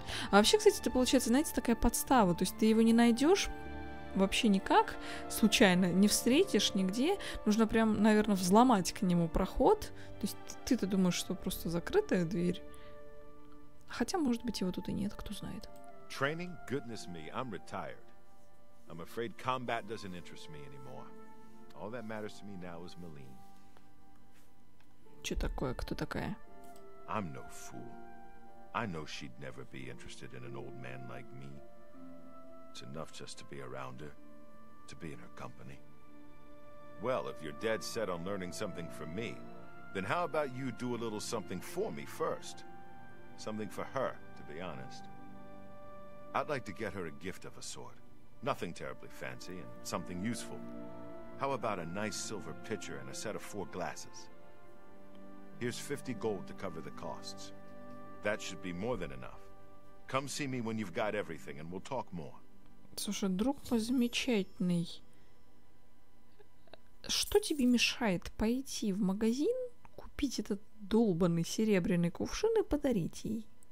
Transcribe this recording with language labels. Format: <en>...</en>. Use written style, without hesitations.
<ru>А вообще, кстати, это получается, знаете, такая подстава. То есть ты его не найдешь вообще никак, случайно, не встретишь нигде. Нужно прям, наверное, взломать к нему проход. То есть ты-то думаешь, что просто закрытая дверь. Хотя, может быть, его тут и нет, кто знает.</ru> <en>Training? Goodness me, I'm retired. I'm afraid combat doesn't interest me anymore. All that matters to me now is Malene.</en> <ru>Что такое? Кто такая?</ru> <en>I'm no fool. I know she'd never be interested in an old man like me. It's enough just to be around her, to be in her company. Well, if you're dead set on learning something from me, then how about you do a little something for me first? Something for her, to be honest. I'd like to get her a gift of a sort. Nothing terribly fancy and something useful. How about a nice silver pitcher and a set of four glasses? Here's 50 gold to cover the costs. That should be more than enough. Come see me when you've got everything and we'll talk more.</en> <ru>Слушай, друг мой замечательный. Что тебе мешает пойти в магазин, купить этот долбанный серебряный кувшин и подарить ей?</ru>